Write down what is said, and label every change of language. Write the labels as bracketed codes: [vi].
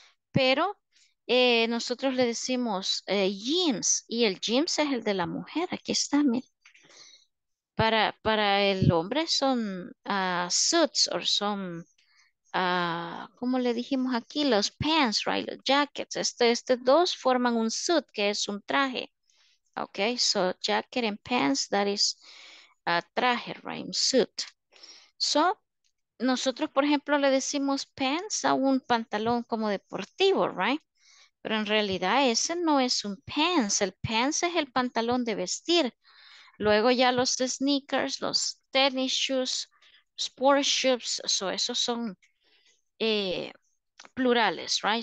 [es] Pero nosotros le decimos jeans, y el jeans es el de la mujer. Aquí está, mire. Para el hombre son suits, o son, como le dijimos aquí, los pants, right, los jackets. Estos dos forman un suit, que es un traje. [en] Ok, so jacket and pants, that is a traje, right, suit. [es] So, nosotros, por ejemplo, le decimos pants a un pantalón como deportivo, right? Pero en realidad ese no es un pants. El pants es el pantalón de vestir. Luego ya los sneakers, los tennis shoes, sport shoes, so esos son plurales, right?